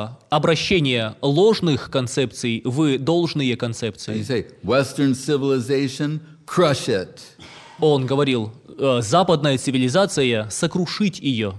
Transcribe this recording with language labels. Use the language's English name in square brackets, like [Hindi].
[Russian] Обращение ложных концепций в должные концепции. [English] Say, Western civilization, crush it. [Russian] Он говорил, западная цивилизация, сокрушить ее.